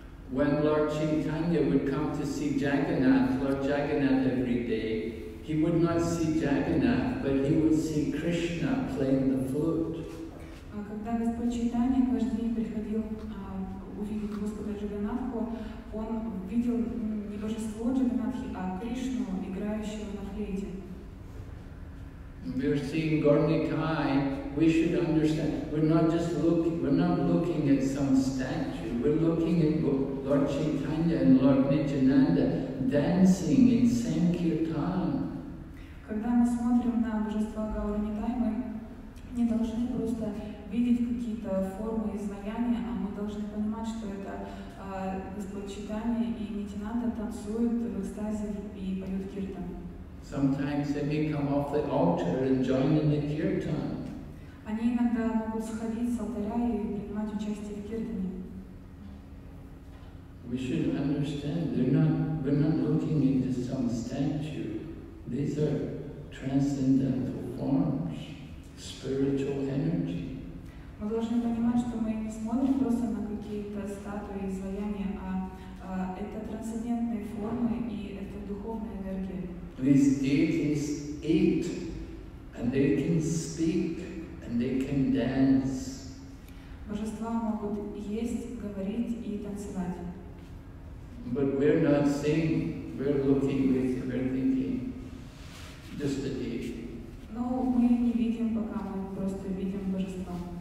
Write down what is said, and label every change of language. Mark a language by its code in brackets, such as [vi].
[en] When Lord Chaitanya would come to see Jagannath, Lord Jagannath every day, he would not see Jagannath, but he would see Krishna playing the flute. [ru] Когда Господь Чайтанья каждый день приходил увидеть Господа Джаганатху, он видел не божество Джаганатхи, а Кришну, играющего на флейте. [en] We're seeing Gornikai. We should understand. We're not looking at some statue. We're looking at Lord Chaitanya and Lord Nityananda dancing in Sankirtan. [ru] Когда мы смотрим на божества Гауранитай, мы не должны просто видеть какие-то формы и изваяния, а мы должны понимать, что это Господь Чайтанья и Нитинанда танцуют в экстазе и поют киртан. [en] Sometimes they may come off the altar and join in the киртан. [ru] Они иногда могут сходить с алтаря и принимать участие в киртане. [en] We should understand, we're not looking into some statue. These are transcendental forms, spiritual energy. [ru] Мы должны понимать, что мы не смотрим просто на какие-то статуи, изваяния, а это трансцендентные формы и это духовная энергия. [en] These deities eat, and they can speak, and they can dance. [ru] Божества могут есть, говорить и танцевать. [en] But we're not seeing. We're looking. We're thinking. Just the deity. [ru] Но мы не видим пока, мы просто видим божество.